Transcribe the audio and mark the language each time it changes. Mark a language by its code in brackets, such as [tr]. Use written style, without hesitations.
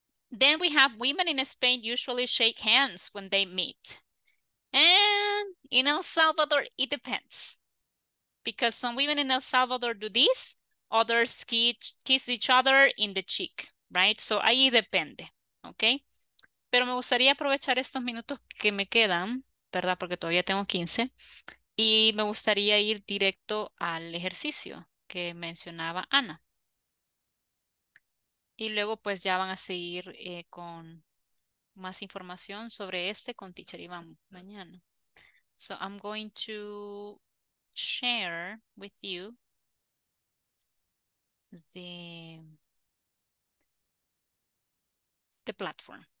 [en] Then we have women in Spain usually shake hands when they meet. And in El Salvador, it depends. Because some women in El Salvador do this, others kiss each other in the cheek, right? [es] So ahí depende, okay? Pero me gustaría aprovechar estos minutos que me quedan, ¿verdad? Porque todavía tengo 15. Y me gustaría ir directo al ejercicio que mencionaba Ana. Y luego pues ya van a seguir con más información sobre este con Teacher Iván mañana. [en] So I'm going to share with you the platform.